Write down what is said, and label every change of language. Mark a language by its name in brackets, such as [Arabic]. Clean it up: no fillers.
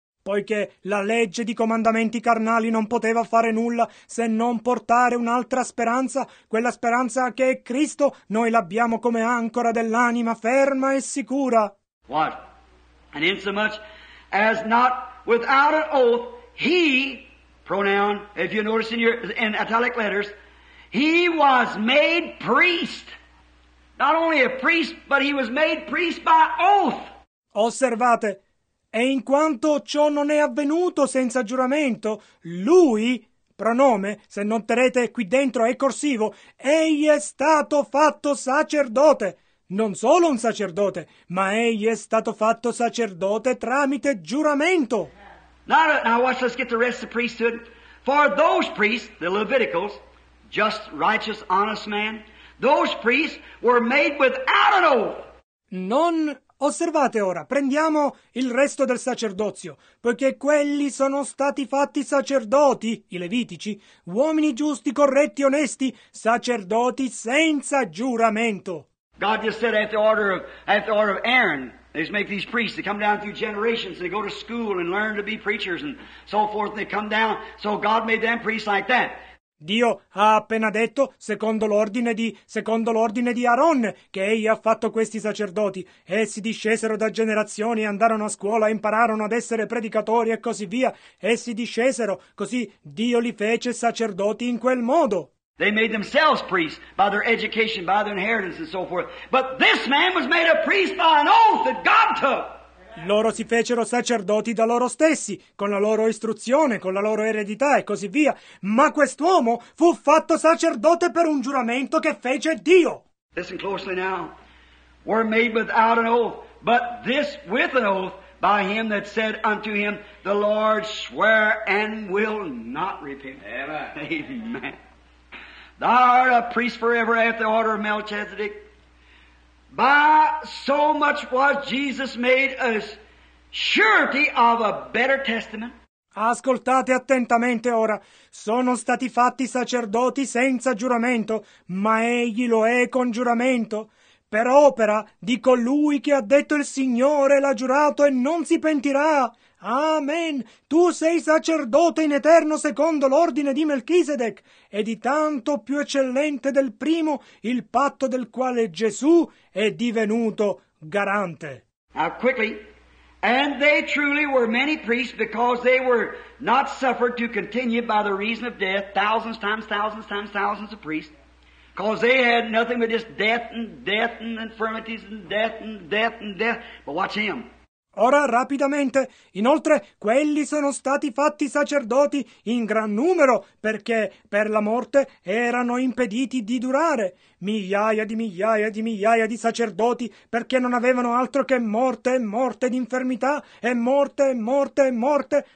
[Italian] Poiché la legge di comandamenti carnali non poteva fare nulla se non portare un'altra speranza, quella speranza che è Cristo, noi l'abbiamo come ancora dell'anima ferma e sicura. [English] What? And insomuch as not without an oath, he, pronoun, if you notice in italic letters, he was made priest. Not only a priest, but he was made priest by oath. [Italian] Osservate. E in quanto ciò non è avvenuto senza giuramento, lui, pronome, se noterete qui dentro è corsivo, egli è stato fatto sacerdote. Non solo un sacerdote, ma egli è stato fatto sacerdote tramite giuramento. [English] Now watch, let's get the rest of the priesthood. For those priests, the Leviticals, just, righteous, honest man, those priests were made without an oath. [Italian] Non... Osservate ora, prendiamo il resto del sacerdozio, poiché quelli sono stati fatti sacerdoti, i levitici, uomini giusti, corretti, onesti, sacerdoti senza giuramento. [English] God just said after the order of Aaron, they just make these priests, they come down through generations, they go to school and learn to be preachers and so forth, and they come down, so God made them priests like that. [Italian] Dio ha appena detto, secondo l'ordine di Aaron, che egli ha fatto questi sacerdoti. Essi discesero da generazioni, andarono a scuola, impararono ad essere predicatori e così via. Essi discesero, così Dio li fece sacerdoti in quel modo. [English] They made themselves priests by their education, by their inheritance and so forth. But this man was made a priest by an oath that God took. [Italian] Loro si fecero sacerdoti da loro stessi, con la loro istruzione, con la loro eredità e così via. Ma quest'uomo fu fatto sacerdote per un giuramento che fece Dio. [English] Listen closely now. We're made without an oath, but this with an oath by him that said unto him, the Lord swear and will not repent. Amen. Amen. Thou art a priest forever after the order of Melchizedek. By so much was Jesus made a surety of a better testament. [Italian] Ascoltate attentamente ora. Sono stati fatti sacerdoti senza giuramento, ma egli lo è con giuramento. Per opera di colui che ha detto il Signore, l'ha giurato e non si pentirà. Amen. Tu sei sacerdote in eterno secondo l'ordine di Melchisedec, e di tanto più eccellente del primo, il patto del quale Gesù è divenuto garante. [English] Now quickly, and they truly were many priests because they were not suffered to continue by the reason of death, thousands times thousands times thousands of priests, because they had nothing but just death and death and infirmities and death and death and death. But watch him. [Italian] Ora, rapidamente, inoltre, quelli sono stati fatti sacerdoti in gran numero perché per la morte erano impediti di durare. Migliaia di migliaia di migliaia di sacerdoti perché non avevano altro che morte e morte di infermità e morte e morte e morte.